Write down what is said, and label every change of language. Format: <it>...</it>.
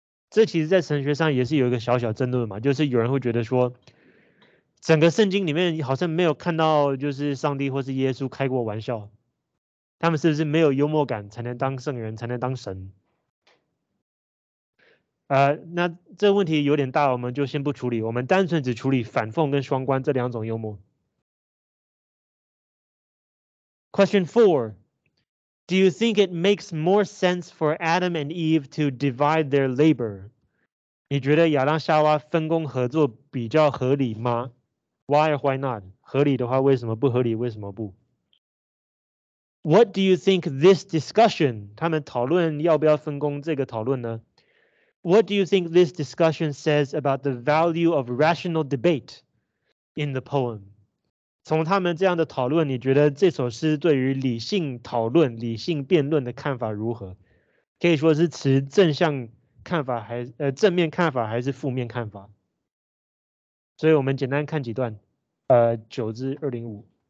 <zh>这其实在神学上也是有一个小小争论嘛，就是有人会觉得说，整个圣经里面好像没有看到就是上帝或是耶稣开过玩笑，他们是不是没有幽默感才能当圣人，才能当神？那这问题有点大，我们就先不处理，我们单纯只处理反讽跟双关这两种幽默。</zh> <en>Question 4， Do you think it makes more sense for Adam and Eve to divide their labor？</en> <zh>你觉得亚当夏娃分工合作比较合理吗？</zh> <en>Why or why not？</en> <zh>合理的话为什么不合理，为什么不？</zh> <en>What do you think this discussion，</en> <zh>他们讨论要不要分工这个讨论呢？</zh> <en>What do you think this discussion says about the value of rational debate in the poem？</en> <zh>从他们这样的讨论，你觉得这首诗对于理性讨论、理性辩论的看法如何？可以说是持正向看法还是正面看法还是负面看法？所以我们简单看几段，九至二零五。</zh>